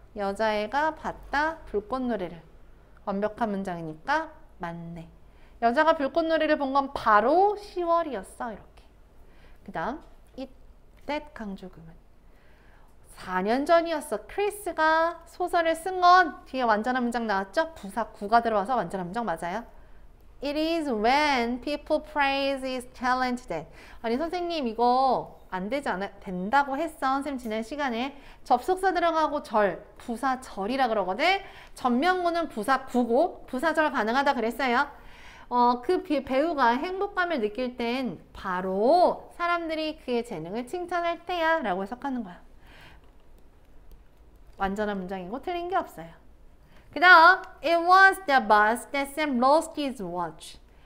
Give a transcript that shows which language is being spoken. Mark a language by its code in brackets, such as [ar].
[ko] 여자애가 봤다, 불꽃놀이를. 완벽한 문장이니까 맞네. 여자가 불꽃놀이를 본건 바로 10월이었어, 이렇게. 그 다음, 이때 강조 구문. 4년 전이었어. 크리스가 소설을 쓴건 뒤에 완전한 문장 나왔죠? 부사 구가 들어와서 완전한 문장 맞아요. [en] It is when people praise his talent then. [ko] 아니, 선생님, 이거 안 되지 않아? 된다고 했어. 선생님, 지난 시간에. 접속사 들어가고 절, 부사 절이라 그러거든? 전명구는 부사 구고, 부사 절 가능하다 그랬어요. 그 배우가 행복감을 느낄 땐 바로 사람들이 그의 재능을 칭찬할 때야. 라고 해석하는 거야. 완전한 문장이고 틀린 게 없어요. 그 다음, [en] It was the bus that Sam lost his watch.